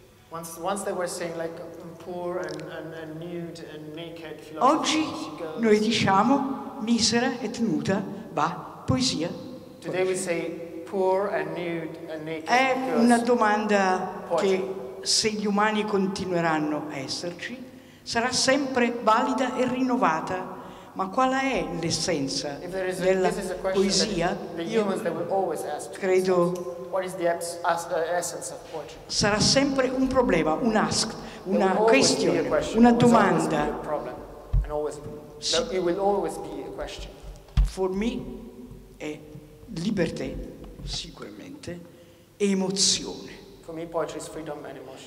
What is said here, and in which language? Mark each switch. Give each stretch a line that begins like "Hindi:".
English: Once they were saying like poor and nude and naked philosophy.
Italian: Oggi noi diciamo misera et nuda va poesia.
English: Today we say poor and nude and naked.
Italian: È una domanda che se gli umani continueranno a esserci sarà sempre valida e rinnovata. Ma qual è l'essenza della poesia? Io credo
English: what is the essence of poetry?
Italian: Sarà sempre un problema, un ask, una questione, una domanda.
English: It will always be a question. For me
Italian: è libertà, sicuramente, e emozione.
English: For me poetry is freedom and emotion.